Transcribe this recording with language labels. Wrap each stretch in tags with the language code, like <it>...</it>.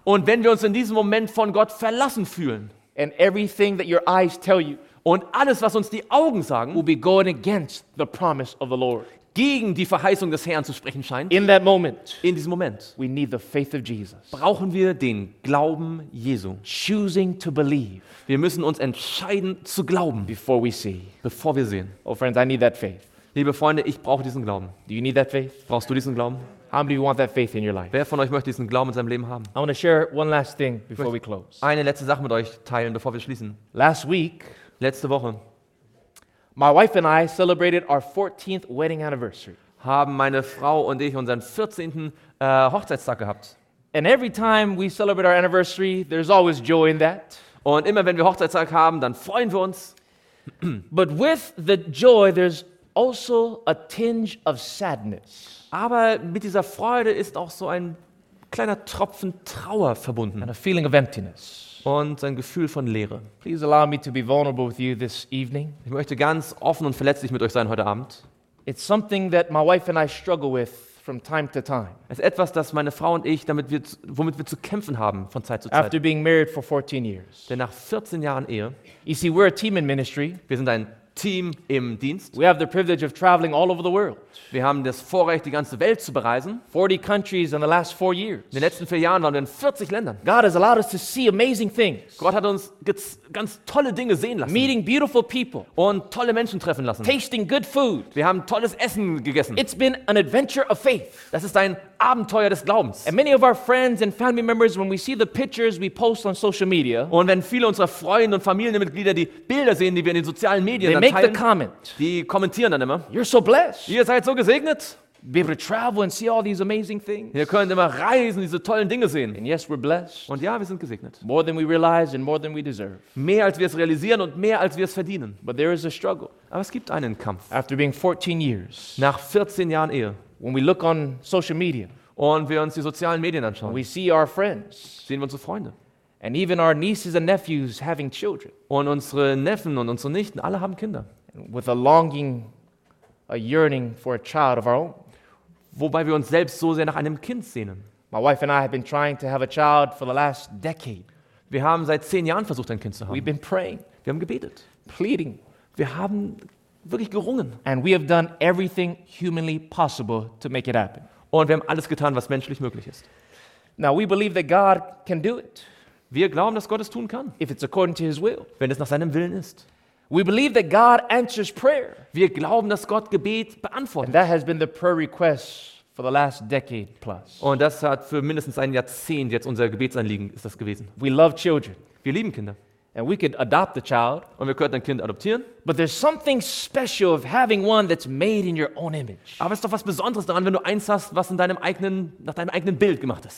<de>Und wenn wir uns in diesem Moment von Gott verlassen fühlen,</de> <en>and everything that your eyes tell you,</en> <de>und alles, was uns die Augen sagen,</de> <en>will be going against the promise of the Lord,</en> <de>gegen die Verheißung des Herrn zu sprechen scheint.</de> <en>In that moment,</en> <de>in diesem Moment,</de> <en>we need the faith of Jesus.</en> <de>Brauchen wir den Glauben Jesu.</de> <en>Choosing to believe.</en> <de>Wir müssen uns entscheiden zu glauben.</de> <en>Before we see.</en> <de>Bevor wir sehen.</de> <en>Oh friends, I need that faith.</en> <de>Liebe Freunde, ich brauche diesen Glauben.</de> <en>Do you need that faith?</en> <de>Brauchst du diesen Glauben?</de> <en>How many of you want that faith in your life?</en> <de>Wer von euch möchte diesen Glauben in seinem Leben haben?</de> <en>I want to share one last thing before we close.</en> <de>Eine letzte Sache mit euch teilen, bevor wir schließen.</de> <en>Last week,</en> <de>letzte Woche,</de> <en>My wife and I celebrated our 14th wedding anniversary.</en> <de>Haben meine Frau und ich unseren 14. Hochzeitstag gehabt.</de> <en>And every time we celebrate our anniversary, there's always joy in that.</en> <de>Und immer wenn wir Hochzeitstag haben, dann freuen wir uns.</de> <en>But with the joy, there's also a tinge of sadness.</en> <de>Aber mit dieser Freude ist auch so ein kleiner Tropfen Trauer verbunden.</de> <en>And a feeling of emptiness.</en> <de>Und ein Gefühl von Leere.</de> <en>Please allow me to be vulnerable with you this evening.</en> <de>Ich möchte ganz offen und verletzlich mit euch sein heute Abend.</de> <en>It's something that my wife and I struggle with from time to time.</en> <de>Es ist etwas, das meine Frau und ich womit wir zu kämpfen haben von Zeit zu Zeit.</de> <en>After being married for 14 years.</en> <de>Denn nach 14 Jahren Ehe.</de> <en>You see, we're a team in ministry.</en> <de>Wir sind ein Team im Dienst.</de> <en>We have the privilege of traveling all over the world.</en> <de>Wir haben das Vorrecht, die ganze Welt zu bereisen.</de> <en>40 countries in the last 4 years.</en> <de>In den letzten 4 Jahren waren wir in 40 Ländern.</de> <en>God has allowed us to see amazing things.</en> <de>Gott hat uns ganz tolle Dinge sehen lassen.</de> <en>Meeting beautiful people.</en> <de>Und tolle Menschen treffen lassen.</de> <en>Tasting good food.</en> <de>Wir haben tolles Essen gegessen.</de> <en>It's been an adventure of faith.</en> <de>Das ist ein Abenteuer des Glaubens.</de> <en>And many of our friends and family members, when we see the pictures we post on social media.</en> <de>Und wenn viele unserer Freunde und Familienmitglieder die Bilder sehen, die wir in den sozialen Medien</de> <en>make the comment.</en> <de>Die kommentieren dann immer.</de> <en>You're so blessed.</en> <de>Ihr seid so gesegnet.</de> <en>Be able to travel and see all these amazing things.</en> <de>Ihr könnt immer reisen, diese tollen Dinge sehen.</de> <en>And yes, we're blessed.</en> <de>Und ja, wir sind gesegnet.</de> <en>More than we realize and more than we deserve.</en> <de>Mehr als wir es realisieren und mehr als wir es verdienen.</de> <en>But there is a struggle.</en> <de>Aber es gibt einen Kampf.</de> <en>After being 14 years.</en> <de>Nach 14 Jahren Ehe.</de> <en>When we look on social media.</en> <de>Und wir uns die sozialen Medien anschauen.</de> <en>We see our friends.</en> <de>Sehen wir unsere Freunde.</de> <en>And even our nieces and nephews having children.</en> <de>Und unsere Neffen und unsere Nichten, alle haben Kinder.</de> <en>With a longing, a yearning for a child of our own.</en> <de>Wobei wir uns selbst so sehr nach einem Kind sehnen.</de> <en>My wife and I have been trying to have a child for the last decade.</en> <de>Wir haben seit 10 Jahren versucht, ein Kind zu haben.</de> <en>We've been praying.</en> <de>Wir haben gebetet.</de> <en>Pleading.</en> <de>Wir haben wirklich gerungen.</de> <en>And we have done everything humanly possible to make it happen.</en> <de>Und wir haben alles getan, was menschlich möglich ist.</de> <en>Now we believe that God can do it.</en> <de>Wir glauben, dass Gott es tun kann.</de> <en>If it's according to his will.</en> <de>Wenn es nach seinem Willen ist.</de> <en>We believe that God answers prayer.</en> <de>Wir glauben, dass Gott Gebet beantwortet.</de> <en>And that has been the prayer request for the last decade plus.</en> <de>Und das hat für mindestens ein Jahrzehnt jetzt unser Gebetsanliegen ist das gewesen.</de> <en>We love children.</en> <de>Wir lieben Kinder.</de> <en>And we could adopt the child.</en> <de>Und wir könnten ein Kind adoptieren.</de> <en>But there's something special of having one that's made in your own image.</en> <de>Aber es ist doch was Besonderes daran, wenn du eins hast, was in deinem eigenen nach deinem eigenen Bild gemacht ist.</de>